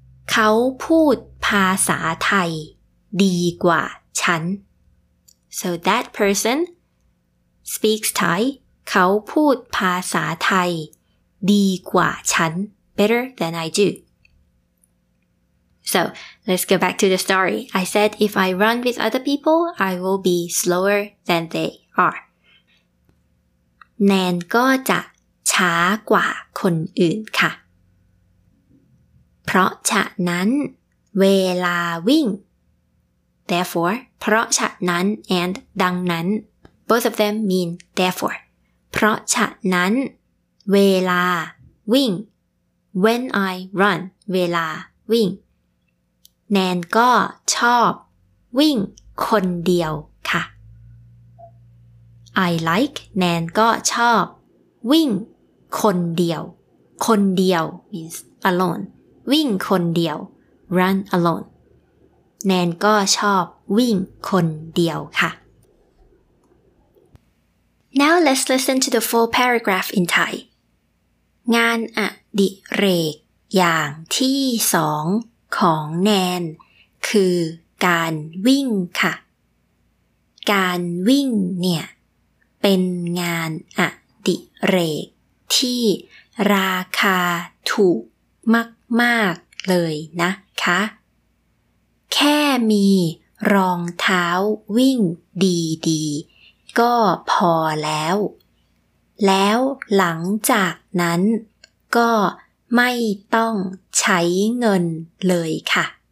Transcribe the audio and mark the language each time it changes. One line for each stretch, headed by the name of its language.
Thai: เขาพูดภาษาไทยดีกว่าฉัน
English: so that person speaks Thaiเขาพูดภาษาไทยดีกว่าฉัน better than I do so let's go back to the story I said if I run with other people I will be slower than they are
Thai: แนนก็จะช้ากว่าคนอื่นค่ะเพราะฉะนั้นเวลาวิ่ง therefore เพราะฉะนั้น and ดังนั้น
English: both of them mean therefore
Thai: เพราะฉะนั้นเวลาวิ่ง
English: when I run
Thai: เวลาวิ่งแนนก็ชอบวิ่งคนเดียวค่ะ
English: I like
Thai: แนนก็ชอบวิ่งคนเดียวคนเดียว
English: means alone
Thai: วิ่งคนเดียว
English: run alone
Thai: แนนก็ชอบวิ่งคนเดียวค่ะ
English: Now let's listen to the full paragraph in Thai.
Thai: งานอดิเรกอย่างที่สองของแนนคือการวิ่งค่ะ การวิ่งเนี่ยเป็นงานอดิเรกที่ราคาถูกมากๆเลยนะคะแค่มีรองเท้าวิ่งดีๆก็พอแล้วแล้วหลังจากนั้นก็ไม่ต้องใช้เงินเลยค่ะ